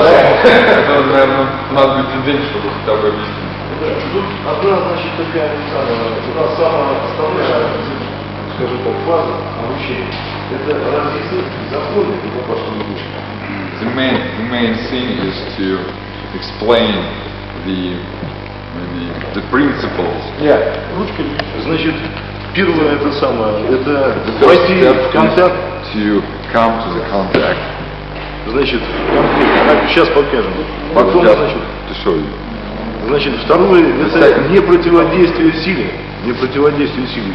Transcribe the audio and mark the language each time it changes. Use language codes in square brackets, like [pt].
[en] that. [ru] Надо будет день, чтобы хотя бы объяснить. Одна, значит, такая та самая основная, скажем так, база обучения. Это разъяснить законы и попасть в душу. [en] The main thing is to explain the principles. Yeah. [ru] Значит, первое это самое, это войти в контакт. [en] To come to the contact. [ru] Значит, сейчас покажем. Потом, значит, [en] to show you. [ru] Значит, второе это не противодействие силе. Не противодействие силе.